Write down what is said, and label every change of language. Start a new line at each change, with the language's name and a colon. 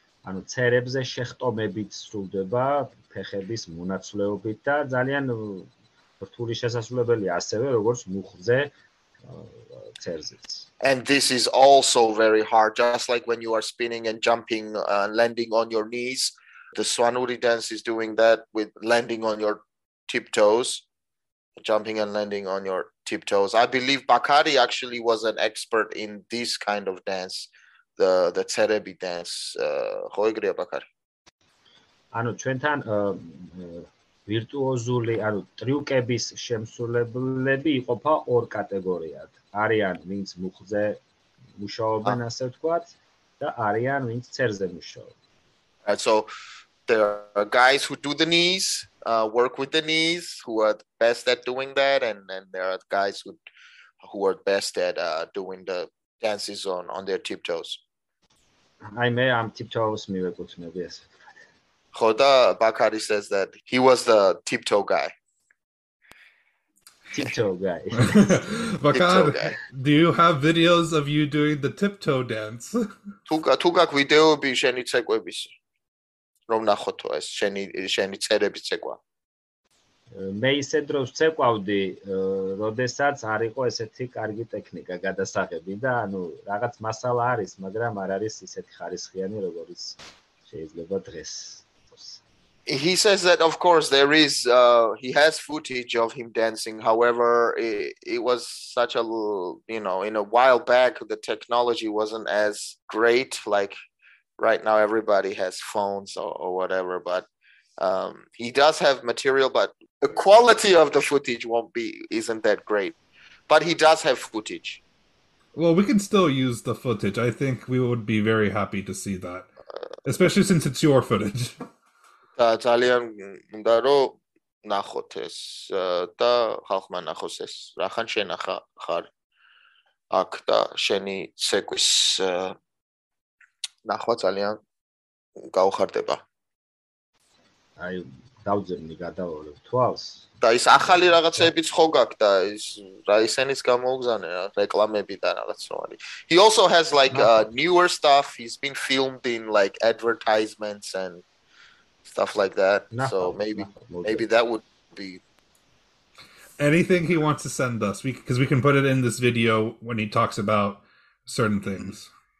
Georgian: ანუ ცერებზე შეხტომებით სრულდება, ფეხების მონაცვლეობით და ძალიან რთული შესასრულებელი ასევე როგორც მუხლზე ცერზეც.
English: And this is also very hard, just like when you are spinning and jumping, landing on your knees. The Swanuri dance is doing that with landing on your tiptoes, jumping and landing on your tiptoes. I believe Bakari actually was an expert in this kind of dance, the Tserebi dance. Hoigria Bakari.
Georgian: ანუ ჩვენთან ვირტუოზული ანუ ტრიუკების შემსრულებლები იყოფა ორ კატეგორიად. არიან ვინც მუხლზე მუშაობენ, ასე ვთქვათ, და არიან ვინც წერზე მუშაობენ.
English: Right, so there are guys who do the knees, work with the knees, who are the best at doing that, and then there are guys who are best at doing the dances on their tiptoes.
Georgian: აი მე ამ ტიპტოს მივეკუთვნები, ასე ვთქვათ.
English: Khoda Bakari says that he was the tiptoe guy. Tiptoe guy. Bakar, guy. you have videos of you doing the tiptoe dance?
Georgian: Tugak video bi sheni tsekwebis. Რომ ნახოთო ეს შენი წერების ცეკვა. მე ისე დროს ცეკვავდი, როდესაც არ იყო ესეთი კარგი ტექნიკა გადასაღები და ანუ რაღაც მასალა არის, მაგრამ არ არის ისეთი ხარისხიანი, როგორიც შეიძლება დღეს.
English: He says that of course there is he has footage of him dancing. However, it was such a little, in a while back the technology wasn't as great like right now, everybody has phones or whatever, but he does have material, but the quality of the footage won't be isn't that great. But he does have footage. Well, we can still use the footage. I think we would be very happy to see that, especially since it's your footage.
Georgian: Da ძალიან უნდა რომ ნახოთ ეს და ხალხმა ნახოს ეს. რახან შენახა ხარ აქ და შენი ცეკვის ნახვა ძალიან გაუხარდება. აი დავძებნი, გადავალებ თვალს. და ის ახალი რაღაცეებიც ხო გაქვს და ის რა ისენის გამოგზანე რა რეკლამები და რაღაცნაირად.
English: He also has like
Georgian: ნახოთ.
English: newer stuff. He's been filmed in like advertisements and stuff like that. So
Georgian: ნახავ, ნახავ,
English: maybe
Georgian: მოძებნი.
English: that would be. Anything he wants to send us, because we can put it in this video when he talks about certain things.